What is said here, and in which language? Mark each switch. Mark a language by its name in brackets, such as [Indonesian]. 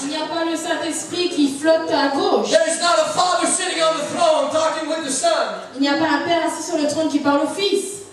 [French] Il n'y a pas le Saint-Esprit qui flotte à gauche. [English] There's not a Father sitting on the throne talking with the Son. [French] Il n'y a pas un Père assis sur le trône qui parle au Fils.